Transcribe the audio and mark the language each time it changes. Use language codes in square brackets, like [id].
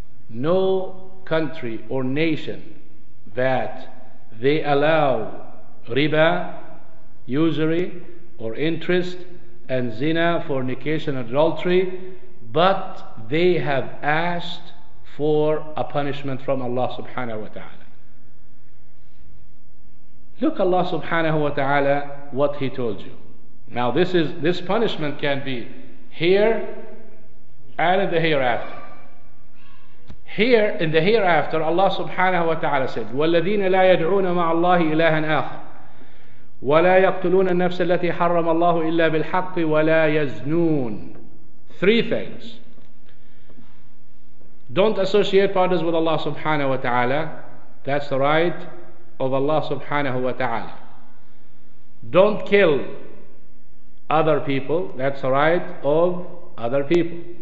[en] No country or nation that they allow riba, usury or interest, and zina, fornication, adultery, but they have asked for a punishment from Allah subhanahu wa ta'ala. Look, Allah subhanahu wa ta'ala, what he told you. Now this punishment can be here and in the hereafter. Here in the hereafter, Allah subhanahu wa ta'ala said, [ar] وَالَّذِينَ لَا يَدْعُونَ مَعَ اللَّهِ إِلَهًا آخَرَ وَلَا يَقْتُلُونَ النَّفْسَ الَّتِي حَرَّمَ اللَّهُ إِلَّا بِالْحَقِّ وَلَا يَزْنُونَ. [en] Three things. Don't associate partners with Allah subhanahu wa ta'ala. That's the right of Allah subhanahu wa ta'ala. Don't kill other people. That's the right of other people.